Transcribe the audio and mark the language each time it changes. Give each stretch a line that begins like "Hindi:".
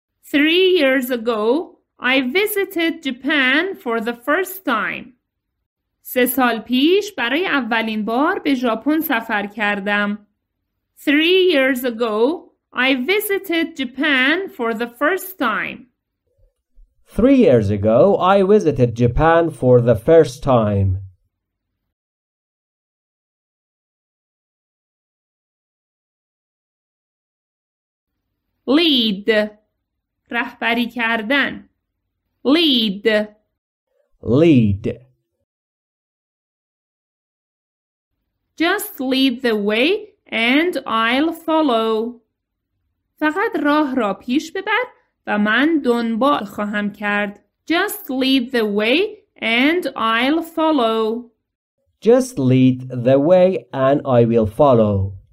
English: 3 years ago, I visited Japan for the first time.
Persian: 3 سال پیش برای اولین بار به ژاپن سفر کردم.
English: 3 years ago, I visited Japan for the first time. 3 years ago, I visited Japan for the first time. Lead.
Persian: رهبری کردن.
English: Lead. Lead. Just lead the way and I'll follow.
Persian: فقط راه را پیش ببر و من دنبال خواهم کرد.
English: Just lead the way and I'll follow. Just lead the way and I will follow.